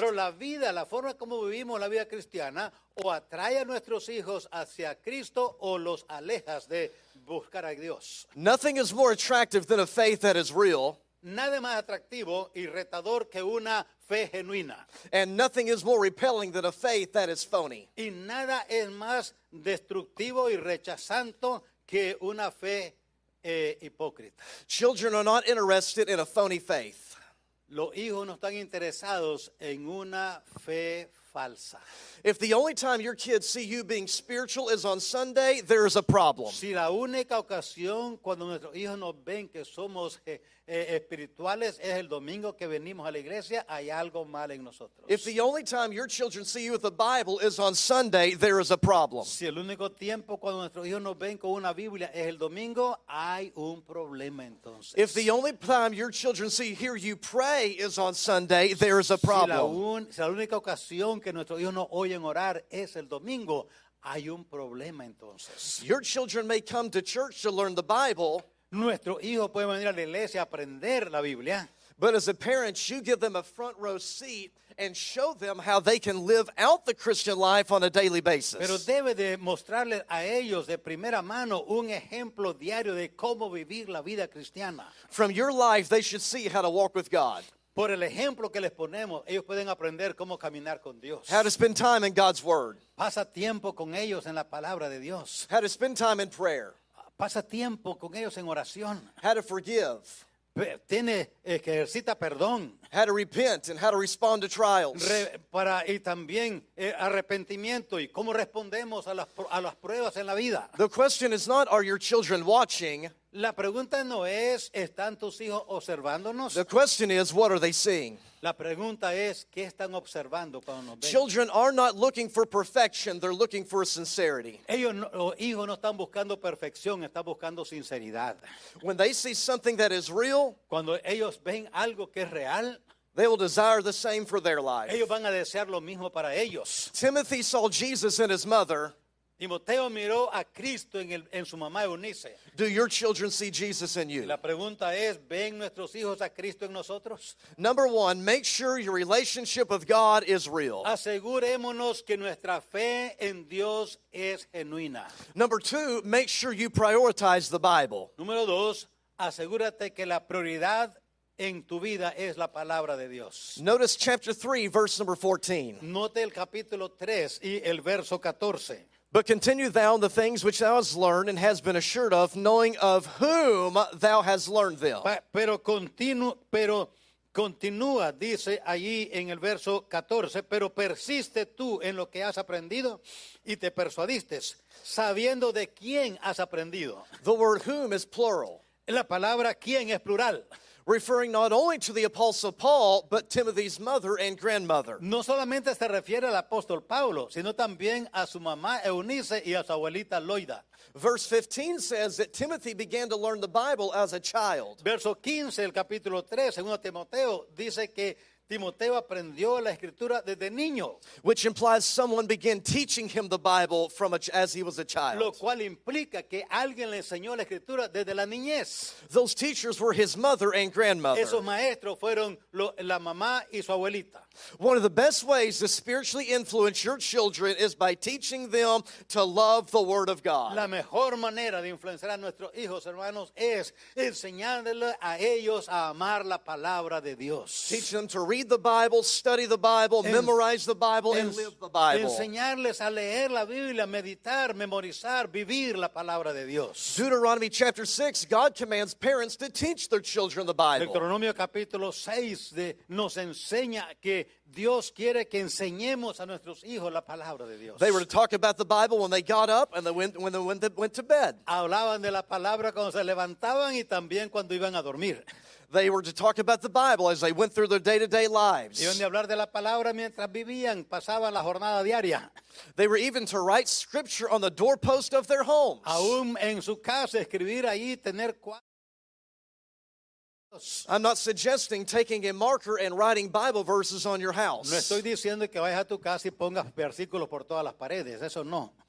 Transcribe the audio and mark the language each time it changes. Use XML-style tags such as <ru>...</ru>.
<es>Pero la vida, la forma como vivimos la vida cristiana o atrae a nuestros hijos hacia Cristo o los alejas de buscar a Dios.</es> <en>Nothing is more attractive than a faith that is real.</en> <es>Nada más atractivo y retador que una fe genuina.</es> <en>And nothing is more repelling than a faith that is phony.</en> <es>Y nada es más destructivo y rechazante que una fe hipócrita.</es> <en>Children are not interested in a phony faith.</en> <es>Los hijos no están interesados en una fe falsa.</es> <en>If the only time your kids see you being spiritual is on Sunday, there is a problem.</en> <es>Si la única ocasión cuando nuestros hijos nos ven que somos espirituales es el domingo que venimos a la iglesia, hay algo mal en nosotros.</es> <en>If the only time your children see you with the Bible is on Sunday, there is a problem.</en> <es>Si el único tiempo cuando nuestros hijos nos ven con una Biblia es el domingo, hay un problema entonces.</es> <en>If the only time your children see hear you pray is on Sunday, there is a problem.</en> <es>Si la única ocasión que nuestros hijos no oyen orar es el domingo, hay un problema entonces.</es> <en>Your children may come to church to learn the Bible.</en> <es>Nuestro hijo puede venir a la iglesia a aprender la Biblia.</es> <en>But as a parent, you give them a front row seat and show them how they can live out the Christian life on a daily basis.</en> <es>Pero debe de mostrarles a ellos de primera mano un ejemplo diario de cómo vivir la vida cristiana.</es> <en>From your life, they should see how to walk with God.</en> <es>Por el ejemplo que les ponemos, ellos pueden aprender cómo caminar con Dios.</es> <en>How to spend time in God's word.</en> <es>Pasa tiempo con ellos en la palabra de Dios.</es> <en>How to spend time in prayer.</en> <es>Pasa tiempo con ellos en oración.</es> <en>How to forgive.</en> <es>Tiene que ejercita perdón.</es> <en>How to repent and how to respond to trials.</en> <es>Y también arrepentimiento y cómo respondemos a las pruebas en la vida.</es> <en>The question is not, are your children watching?</en> <es>La pregunta no es, ¿están tus hijos observándonos?</es> <en>The question is, what are they seeing?</en> <es>La pregunta es, ¿qué están observando cuando nos ven?</es> <en>Children are not looking for perfection, they're looking for sincerity.</en> <es>Ellos, los hijos, no están buscando perfección, están buscando sinceridad.</es> <en>When they see something that is real,</en> <es>cuando ellos ven algo que es real,</es> <en>they will desire the same for their life.</en> <es>Ellos van a desear lo mismo para ellos.</es> <en>Timothy saw Jesus in his mother.</en> <es>Timoteo miró a Cristo en su mamá Eunice.</es> <en>Do your children see Jesus in you?</en> <es>La pregunta es, ¿ven nuestros hijos a Cristo en nosotros?</es> <en>Number one, make sure your relationship with God is real.</en> <es>Asegurémonos que nuestra fe en Dios es genuina.</es> <en>Number two, make sure you prioritize the Bible.</en> <es>Número dos, asegúrate que la prioridad en tu vida es la palabra de Dios.</es> <en>Notice chapter 3, verse number 14.</en> <es>Note el capítulo 3 y el verso 14.</es> <en>But continue thou in the things which thou hast learned and has been assured of, knowing of whom thou hast learned them.</en> <es>Pero continúa, dice allí en el verso 14, pero persiste tú en lo que has aprendido y te persuadiste, sabiendo de quién has aprendido.</es> <en>The word whom is plural.</en> <es>La palabra quién es plural.</es> <en>Referring not only to the Apostle Paul, but Timothy's mother and grandmother.</en> <es>No solamente se refiere al apóstol Pablo, sino también a su mamá Eunice y a su abuelita Loida.</es> <en>Verse 15 says that Timothy began to learn the Bible as a child.</en> <es>Verso 15, el capítulo 3, segundo Timoteo, dice que Timoteo aprendió la escritura desde niño.</es> <en>Which implies someone began teaching him the Bible as he was a child.</en> <es>Lo cual implica que alguien le enseñó la escritura desde la niñez.</es> <en>Those teachers were his mother and grandmother.</en> <es>Esos maestros fueron la mamá y su abuelita.</es> <en>One of the best ways to spiritually influence your children is by teaching them to love the Word of God.</en> <es>La mejor manera de influenciar a nuestros hijos, hermanos, es enseñándoles a ellos a amar la palabra de Dios.</es> <en>Teach them to read the Bible, study the Bible, memorize the Bible, and live the Bible.</en> <es>Enseñarles a leer la Biblia, meditar, memorizar, vivir la palabra de Dios.</es> <en>Deuteronomy chapter 6, God commands parents to teach their children the Bible.</en> <es>Deuteronomio capítulo 6 nos enseña que Dios quiere que enseñemos a nuestros hijos la palabra de Dios.</es> <en>They were to talk about the Bible when they got up and when they went to bed.</en> <es>Hablaban de la palabra cuando se levantaban y también cuando iban a dormir.</es> <en>They were to talk about the Bible as they went through their day-to-day lives.</en> <es>Iban a hablar de la palabra mientras vivían, pasaban la jornada diaria.</es> <en>They were even to write scripture on the doorpost of their homes.</en> <es>Aún en su casa, escribir ahí, tener cuatro.</es> <en>I'm not suggesting taking a marker and writing Bible verses on your house.</en> <es>No estoy diciendo que vayas a tu casa y pongas versículos por todas las paredes, eso no.</es>